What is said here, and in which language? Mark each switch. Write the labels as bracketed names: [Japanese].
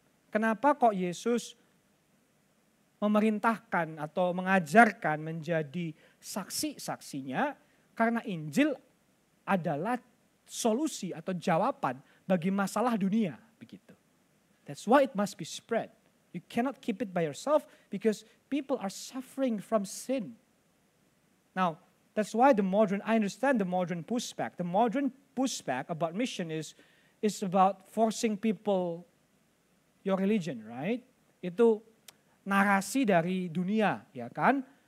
[Indonesian] Kenapa kok Yesus memerintahkan atau mengajarkan menjadi saksi-saksinya? Karena Injil adalah solusi atau jawaban bagi masalah dunia, begitu. [English] That's why it must be spread. You cannot keep it by yourself because people are suffering from sin. Now, that's why I understand the modern pushback about mission is about forcing people your religion, right? [Indonesian] Itu narasi dari dunia, ya kan?